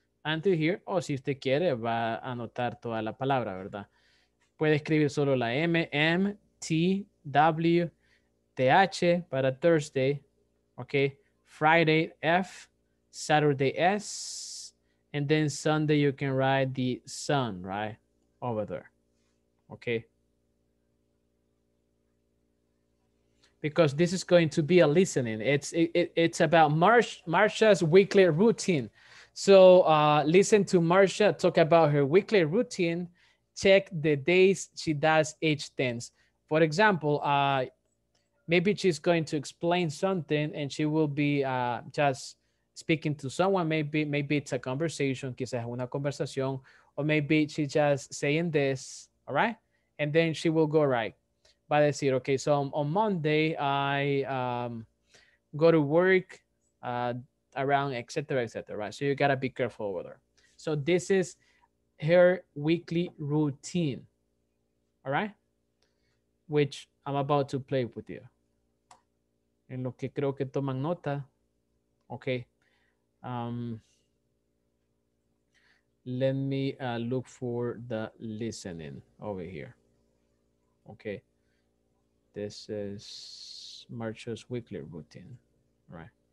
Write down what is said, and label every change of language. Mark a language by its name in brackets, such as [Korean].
[Spanish] Antes de here, o si usted quiere, va a anotar toda la palabra, ¿verdad? Puede escribir solo la M, M, T, W, T, H para Thursday, ¿ok? [English] Friday, F, Saturday, S, and then Sunday you can write the sun, right? Over there, ¿ok? Because this is going to be a listening. It's about Marsha's weekly routine. So listen to Marsha talk about her weekly routine. Check the days she does each tense. For example, maybe she's going to explain something and she will be just speaking to someone. Maybe it's a conversation, [Spanish] quizás una conversación, [English] or maybe she's just saying this, all right? And then she will go right. [Spanish] Va a decir, [English] okay, so on Monday, I go to work, around etc., right? So you gotta be careful with her. So this is her weekly routine, all right? Which I'm about to play with you. [Spanish] En lo que creo que toman nota, okay. [English] let me look for the listening over here. Okay. This is March's weekly routine, right?